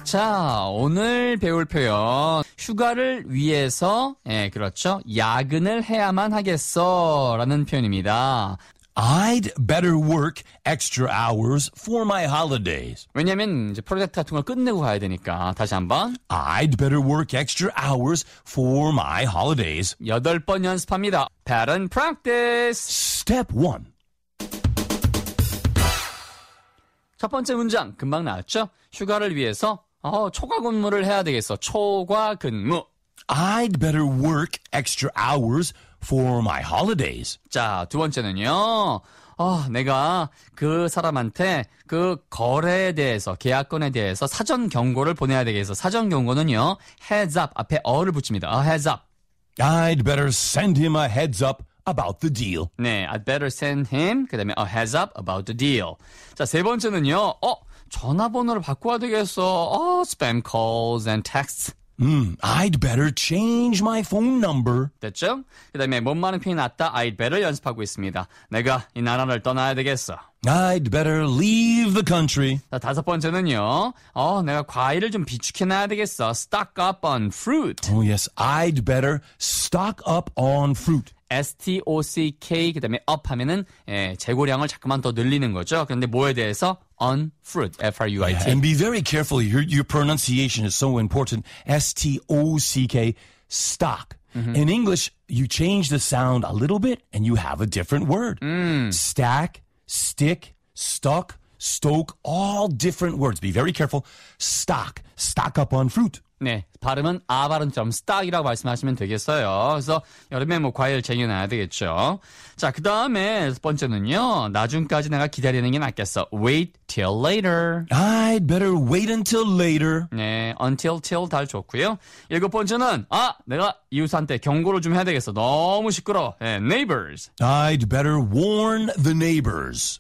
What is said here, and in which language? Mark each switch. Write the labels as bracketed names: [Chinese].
[Korean] 자, 오늘 배울 표현 휴가를 위해서 예, 그렇죠. 야근을 해야만 하겠어라는 표현입니다. [English] I'd better work extra hours for my holidays. [Korean] 왜냐면 이제 프로젝트 같은 걸 끝내고 가야 되니까. 다시 한번. [English] I'd better work extra hours for my holidays. [Korean] 여덟 번 연습합니다. [English] Pattern practice. Step 1. [Korean] 첫 번째 문장 금방 나왔죠? 휴가를 위해서 초과 근무를 해야 되겠어. 초과 근무. [English] I'd better work extra hours for my holidays. [Korean] 자, 두 번째는요. 내가 그 사람한테 그 거래에 대해서, 계약건에 대해서 사전 경고를 보내야 되겠어. 사전 경고는요. Heads up 앞에 어를 붙입니다. [English] Heads up. I'd better send him a heads up about the deal. 네, I'd better send him [Korean] 그다음에 [English] a heads up about the deal. [Korean] 자, 세 번째는요. 전화번호를 바꿔야 되겠어. [English] Spam calls and texts. I'd better change my phone number. [Korean] 됐죠? 그 다음에 못 많은 표현이 났다. I'd better 연습하고 있습니다. 내가 이 나라를 떠나야 되겠어. [English] I'd better leave the country. [Korean] 자, 다섯 번째는요. 내가 과일을 좀 비축해놔야 되겠어. [English] Stock up on fruit. Oh yes, I'd better stock up on fruit. [Korean] S-T-O-C-K 그 다음에 up 하면은 재고량을 자꾸만 더 늘리는 거죠. 그런데 뭐에 대해서? [English] On fruit, [Korean] F-R-U-I-T. [English] Yeah, and be very careful. Your pronunciation is so important. S-T-O-C-K, stock. Mm-hmm. In English, you change the sound a little bit and you have a different word. Stack, stick, stuck, stoke, all different words. Be very careful. Stock, stock up on fruit. [Korean] 네, 발음은 아 발음처럼 stock이라고 말씀하시면 되겠어요. 그래서 여름에 뭐 과일 쟁여놔야 되겠죠. 자, 그 다음에 첫 번째는요. 나중까지 내가 기다리는 게 낫겠어. [English] Wait till later. I'd better wait until later. [Korean] 네, until till 다 좋고요. 일곱 번째는 내가 이웃한테 경고를 좀 해야 되겠어. 너무 시끄러워. 네, neighbors. [English] I'd better warn the neighbors.